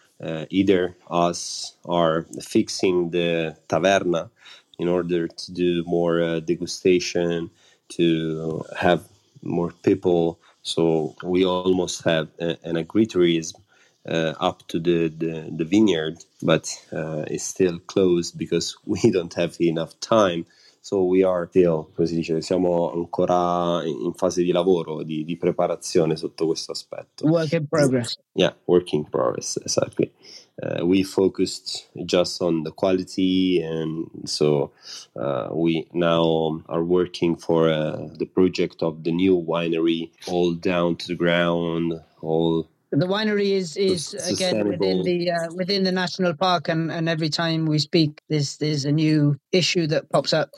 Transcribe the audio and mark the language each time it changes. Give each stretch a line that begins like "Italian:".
English: Either us are fixing the taverna in order to do more degustation, to have more people. So we almost have an agritourism up to the vineyard, but it's still closed because we don't have enough time. So we are still,
Italian: come si dice, siamo ancora in fase di lavoro, di preparazione sotto questo aspetto.
English: Work in progress. Yeah, work in progress, exactly. We focused just on the quality, and so we now are working for the project of the new winery, all down to the ground, all... The winery is again within the national park, and every time we speak, there's a new issue that pops up.